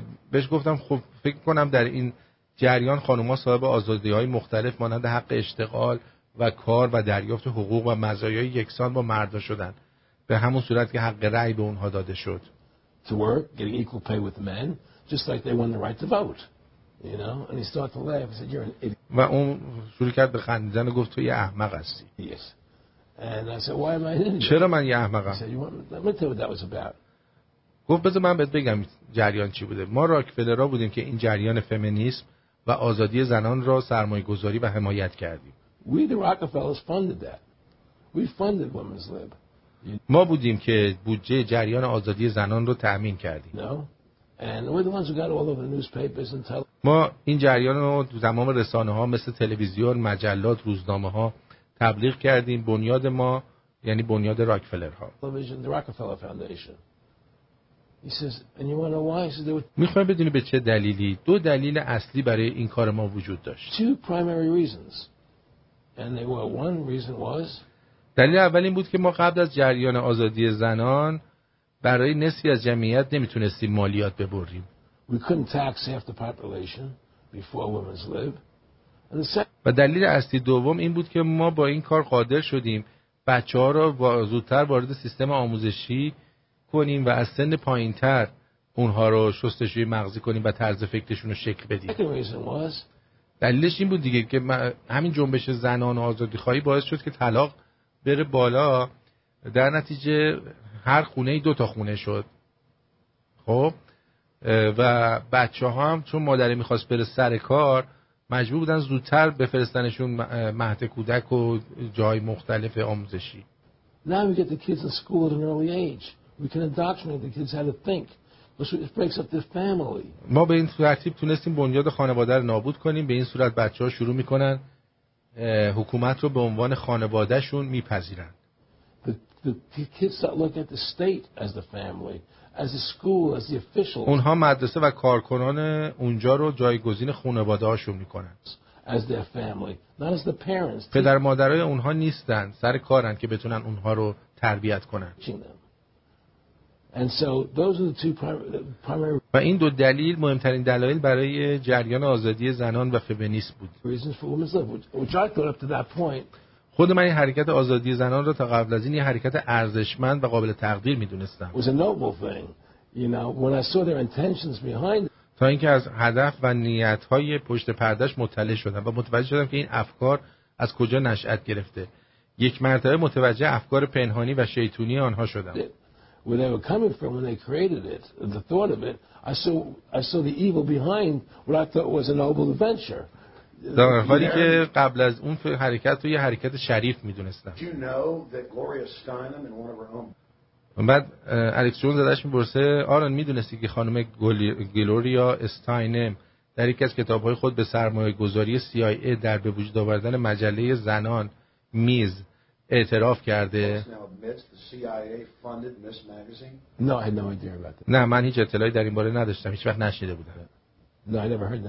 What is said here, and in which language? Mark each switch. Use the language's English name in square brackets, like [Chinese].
[Persian] بهش گفتم خب فکر می‌کنم در این جریان خانم‌ها صاحب آزادی‌های مختلف مانند حق اشتغال و کار و دریافت حقوق و مزایای یکسان با مردا شدن، به همون صورت که حق رأی به اونها داده شد. [English] To work, getting equal pay with men just like they won the right to vote. You know, and he started to laugh. He said, "You're an idiot." [Persian] و اون شروع کرد به خندیدن و گفت تو یه احمق هستی. [English] Yes. And I said, "Why am I an idiot?" [Persian] چرا من یه احمقم؟ [English] He said, "Let me tell you what that was about." [Persian] گفت بذار من بهت بگم جریان چی بوده. ما راکفلرها بودیم که این جریان فمینیسم و آزادی زنان را سرمایه‌گذاری و حمایت کردیم. [English] We the Rockefellers funded that. We funded women's lib. [Persian] ما بودیم که بودجه جریان آزادی زنان را تأمین کردیم. [English] No. And we're the ones who got all over the newspapers and tell. [Persian] ما این جریان رو در تمام رسانه‌ها مثل تلویزیون، مجلات، روزنامه‌ها تبلیغ کردیم. بنیاد ما یعنی بنیاد راکفلرها. [English] The Rockefeller Foundation. He says, and you wonder why? He says there were. [Persian] می‌خوام بدونی به چه دلیلی؟ دو دلیل اصلی برای این کار ما وجود داشت. [English] Two primary reasons. And they were one reason was. [Persian] دلیل اول این بود که ما قبل از جریان آزادی زنان برای نصفی از جمعیت نمیتونستیم مالیات ببریم. [English] We couldn't tax half the population before women's lib. And the second. [Persian] و دلیل اصلی دوم این بود که ما با این کار قادر شدیم بچه‌ها را زودتر وارد سیستم آموزشی کنیم و از سن پایین‌تر اونها را شستشوی مغزی کنیم و طرز فکرشون رو شکل بدیم. [English] The reason was. [Persian] دلیلش این بود دیگه که همین جنبش زنان و آزادی خواهی باعث شد که طلاق بره بالا، در نتیجه هر خونه ای دو تا خونه شد. خب و بچه‌ها هم چون مادر می‌خواست بره سر کار مجبور بودن زودتر بفرستنشون مهد کودک و جای مختلف آموزشی. [English] Now we get the kids in school at an early age. We can indoctrinate the kids how to think. So it breaks up the family. [Persian] ما به این ترتیب تونستیم بنیاد خانواده رو نابود کنیم. به این صورت بچه‌ها شروع می‌کنن حکومت رو به عنوان خانواده‌شون می‌پذیرن. [English] The kids that look at the state as the family, as the school, as the official. [Persian] اونها مدرسه و کارکنان اونجا رو جایگزین خانواده‌هاشون می‌کنن. [English] As their family, not as the parents. [Persian] پدر مادرای اونها نیستن، سر کارن که بتونن اونها رو تربیت کنن. [English] And so those are the two primary. [Persian] و این دو دلیل مهمترین دلایل برای جریان آزادی زنان و فمینیسم بود. [English] Reasons for women's lib, which I thought up to that point. [Persian] خود من این حرکت آزادی زنان رو تا قبل از این یه حرکت ارزشمند و قابل تقدیر می‌دونستم. تا اینکه از هدف و نیت‌های پشت پردهش مطلع شدم و متوجه شدم که این افکار از کجا نشأت گرفته. یک مرتبه متوجه افکار پنهانی و شیطونی آنها شدم. [English] Where they were coming from when they created it, the thought of it, I saw the evil behind what I thought was a noble adventure. [Persian] در حالی که قبل از اون حرکت رو یه حرکت شریف میدونستم. [English] Do you know that Gloria Steinem in one of her homes? [Persian] بعد الکس جونز داشت میپرسه آرون میدونستی که خانم گلوریا استاینم در یکی از کتابهای خود به سرمایه گذاری CIA در به وجود آوردن مجله زنان میز اعتراف کرده؟ نه من هیچ اطلاعی در این باره نداشتم، هیچ وقت نشنیده بودم.